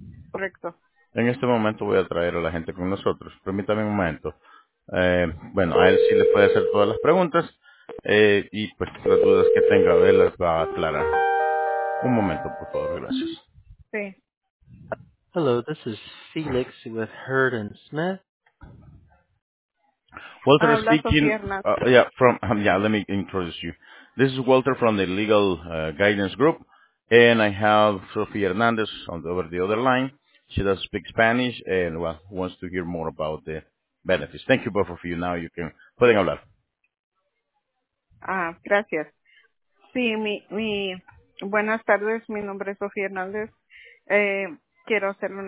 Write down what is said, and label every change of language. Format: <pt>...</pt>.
<es>Correcto. En este momento voy a traer a la gente con nosotros. Permítame un momento. Bueno, a él sí le puede hacer todas las preguntas, y pues las dudas que tenga, él las va a aclarar. Un momento, por favor, gracias. Sí.</es> <en>Hello, this is Felix with Hurd and Smith. Walter speaking. Let me introduce you. This is Walter from the Legal Guidance Group, and I have Sophie Hernandez over the other line. She does speak Spanish and wants to hear more about the benefits. Thank you both of you. Now you can</en> <es>pueden hablar. Gracias. Sí, buenas tardes. Mi nombre es Sophie Hernandez. Quiero hacer una</es>